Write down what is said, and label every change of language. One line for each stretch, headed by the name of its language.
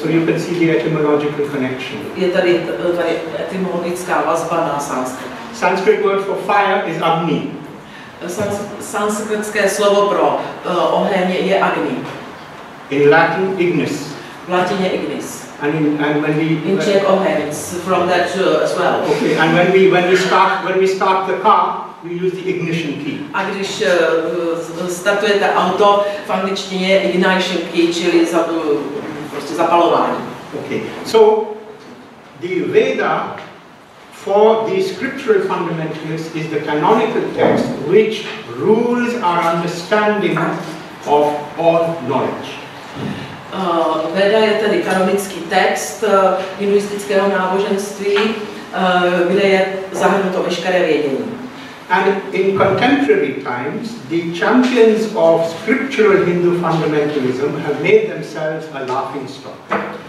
English: So you can see the etymological connection.
Czech: Je tady etymologická vazba na sanskrit.
English: Sanskrit word for fire is agni.
Czech: Sanskritské slovo pro oheň je agni.
English: In Latin ignis.
Czech: V latině ignis.
English: And when we in Czech oheň, from that as well. Okay. And when we start the car, we use the ignition key.
Czech: A když startujete auto, v angličtině je ignition key, čili prostě zapalování.
English: Okay. So the Veda for the scriptural fundamentalist is the canonical text which rules our understanding of all knowledge.
Czech: Veda je tedy kanonický text hinduistického náboženství, kde je zahrnuto veškeré vědění.
English: And in contemporary times, the champions of scriptural Hindu fundamentalism have made themselves a laughing stock.